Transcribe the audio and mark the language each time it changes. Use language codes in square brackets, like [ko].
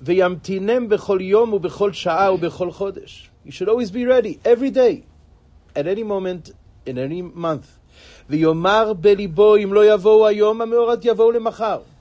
[he] וימתינם בכל יום ובכל שעה ובכל חודש. [en] You should always be ready, every day, at any moment, in any month. [he] ויומר בליבו, אם לא יבואו היום, המאורעות יבואו למחר.